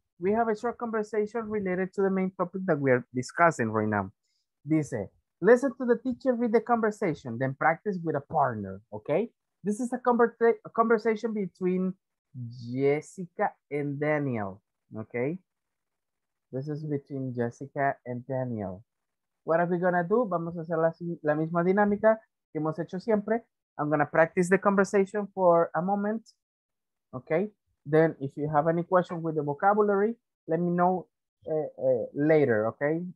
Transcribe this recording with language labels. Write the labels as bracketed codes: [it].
[en] We have a short conversation related to the main topic that we are discussing right now. Dice, listen to the teacher read the conversation, then practice with a partner, okay? This is a conversation between Jessica and Daniel, okay? This is between Jessica and Daniel. What are we gonna do? [es] Vamos a hacer la misma dinámica que hemos hecho siempre. [en] I'm gonna practice the conversation for a moment, okay? Then if you have any question with the vocabulary, let me know later, okay?